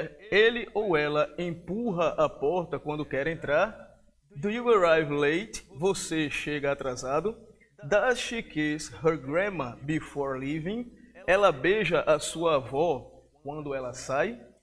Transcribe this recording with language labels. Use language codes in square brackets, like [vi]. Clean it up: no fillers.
[pt] Ele ou ela empurra a porta quando quer entrar? [en] Do you arrive late? [pt] Você chega atrasado? [en] Does she kiss her grandma before leaving? [pt] Ela beija a sua avó quando ela sai?